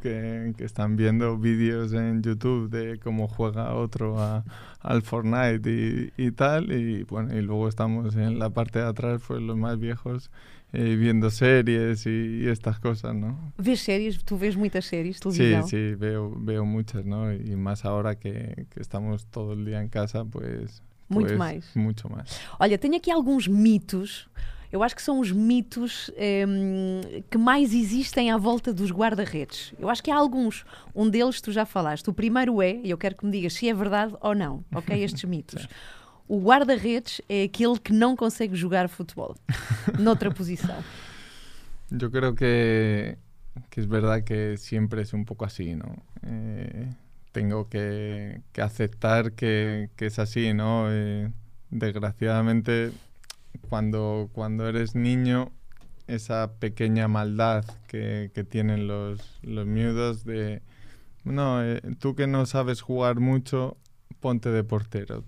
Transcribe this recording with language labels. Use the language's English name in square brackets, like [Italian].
[Spanish] Que están viendo vídeos en YouTube de cómo juega otro al Fortnite y tal. Y bueno, y luego estamos en la parte de atrás, pues los más viejos, viendo series y estas cosas, ¿no? [Portuguese] Vês séries? [Spanish] Tú [Portuguese] vês muitas séries, [Spanish] Sí, [Portuguese] televisão? [Spanish] veo muchas, ¿no? Y más ahora que estamos todo el día en casa, [Portuguese] Muito [Spanish] pues [Portuguese] mais. [Spanish] mucho más. [Portuguese] Olha, tenho aqui alguns mitos. Eu acho que são os mitos que mais existem à volta dos guarda-redes. Eu acho que há alguns. Um deles tu já falaste. O primeiro é, e eu quero que me digas se é verdade ou não, ok? Estes mitos. O guarda-redes é aquele que não consegue jogar futebol noutra posição. [Spanish] Yo creo que es verdad que siempre es un poco así, ¿no? Tengo que aceptar que es así, ¿no? Desgraciadamente, cuando eres niño, esa pequeña maldad que tienen los miudos de, no, tú que no sabes jugar mucho, ponte de portero.